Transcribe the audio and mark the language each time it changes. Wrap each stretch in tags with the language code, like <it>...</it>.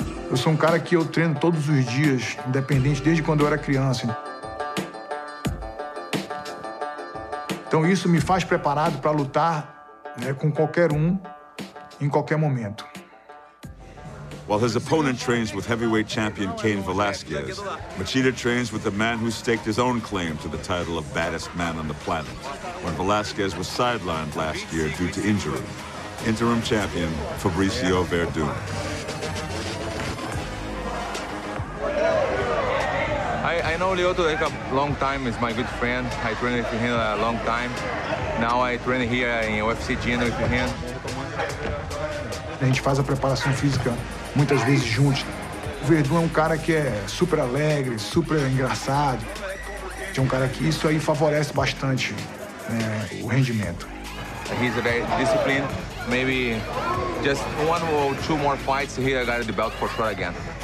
<pt>Eu sou um cara que eu treino todos os dias, independente, desde quando eu era criança. Então isso me faz preparado para lutar, né, com qualquer um, em qualquer momento.</pt> <en>While his opponent trains with heavyweight champion Cain Velasquez, Machida trains with the man who staked his own claim to the title of baddest man on the planet when Velasquez was sidelined last year due to injury. Interim champion Fabricio Verdun. I know Lyoto like a long time. He's my good friend. I trained with him a long time. Now I train here in UFC gym with him.</en> <pt>A gente faz a preparação física muitas vezes juntos. O Verdun é um cara que é super alegre, super engraçado. É um cara que isso aí favorece bastante, né, o rendimento.</pt> <en>He's very disciplined. Maybe just one or two more fights here, I got the belt for sure again.</en>